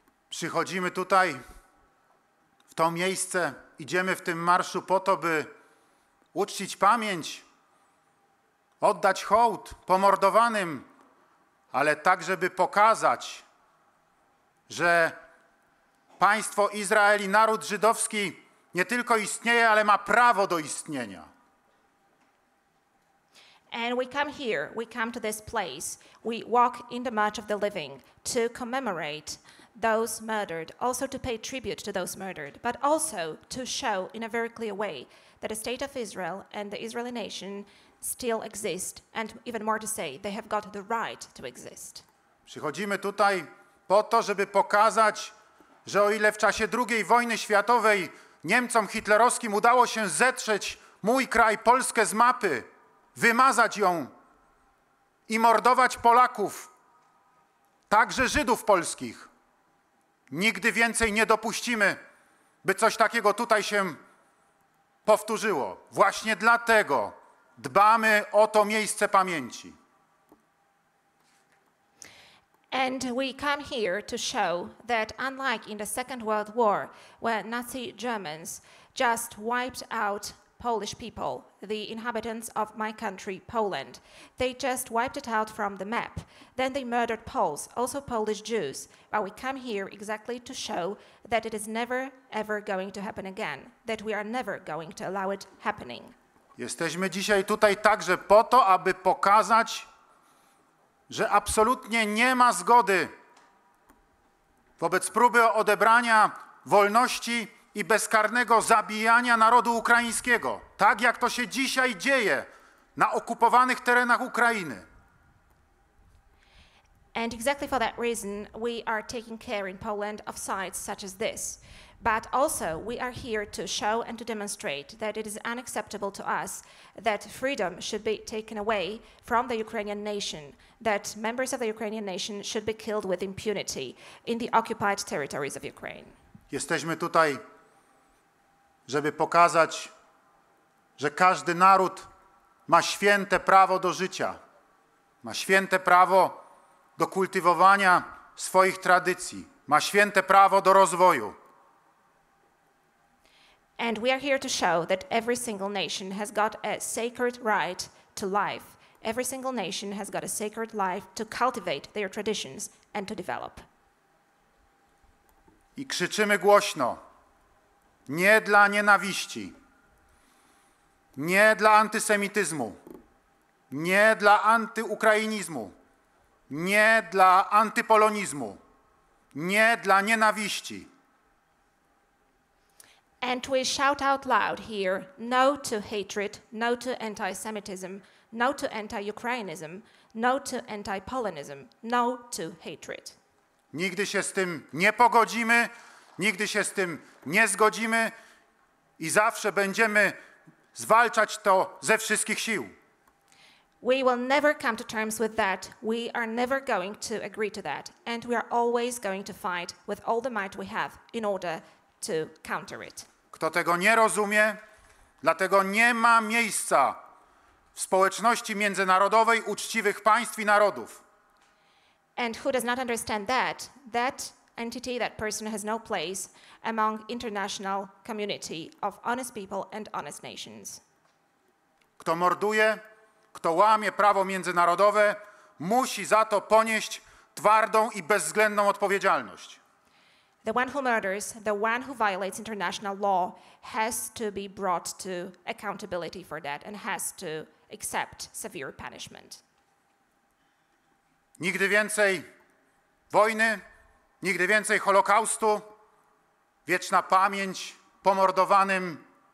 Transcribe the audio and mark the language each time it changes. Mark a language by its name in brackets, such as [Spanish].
[Polish] Przychodzimy tutaj, w to miejsce, idziemy w tym marszu po to, by uczcić pamięć, oddać hołd pomordowanym, ale tak, żeby pokazać, że państwo Izrael i naród żydowski nie tylko istnieje, ale ma prawo do istnienia. [English] And we come here, we come to this place, we walk in the march of the living to commemorate those murdered, also to pay tribute to those murdered, but also to show in a very clear way that the state of Israel and the Israeli nation still exist, and even more to say, they have got the right to exist. [Polish] Przychodzimy tutaj po to, żeby pokazać, że o ile w czasie II wojny światowej Niemcom hitlerowskim udało się zetrzeć mój kraj, Polskę, z mapy, wymazać ją i mordować Polaków, także Żydów polskich, nigdy więcej nie dopuścimy, by coś takiego tutaj się powtórzyło. Właśnie dlatego dbamy o to miejsce pamięci. [English] And we come here to show that unlike in the Second World War, where Nazi Germans just wiped out Polish people, the inhabitants of my country, Poland, they just wiped it out from the map. Then they murdered Poles, also Polish Jews. But we come here exactly to show that it is never, ever going to happen again, that we are never going to allow it happening. [Polish] Jesteśmy dzisiaj tutaj także po to, aby pokazać, że absolutnie nie ma zgody wobec próby odebrania wolności i bezkarnego zabijania narodu ukraińskiego, tak jak to się dzisiaj dzieje na okupowanych terenach Ukrainy. [English] And exactly for that reason we are taking care in Poland of sites such as this. But also we are here to show and to demonstrate that it is unacceptable to us that freedom should be taken away from the Ukrainian nation, that members of the Ukrainian nation should be killed with impunity in the occupied territories of Ukraine. [Polish] Jesteśmy tutaj, żeby pokazać, że każdy naród ma święte prawo do życia, ma święte prawo do kultywowania swoich tradycji, ma święte prawo do rozwoju. [English] And we are here to show that every single nation has got a sacred right to life. Every single nation has got a sacred life to cultivate their traditions and to develop. [Polish] I krzyczymy głośno, nie dla nienawiści, nie dla antysemityzmu, nie dla antyukrainizmu, nie dla antypolonizmu, nie dla nienawiści. [English] And we shout out loud here, no to hatred, no to anti-Semitism, no to anti-Ukrainism, no to anti-Polonism, no to hatred. [Polish] Nigdy się z tym nie pogodzimy, nigdy się z tym nie zgodzimy i zawsze będziemy zwalczać to ze wszystkich sił. [English] We will never come to terms with that. We are never going to agree to that. And we are always going to fight with all the might we have in order to counter it. [Polish] Kto tego nie rozumie, dlatego nie ma miejsca w społeczności międzynarodowej uczciwych państw i narodów. [English] And who does not understand that, that entity, that person has no place among international community of honest people and honest nations. [Polish] Kto morduje, kto łamie prawo międzynarodowe, musi za to ponieść twardą i bezwzględną odpowiedzialność. [English] The one who murders, the one who violates international law has to be brought to accountability for that and has to accept severe punishment. [Polish] Nigdy więcej wojny, nigdy więcej Holokaustu, wieczna pamięć pomordowanym.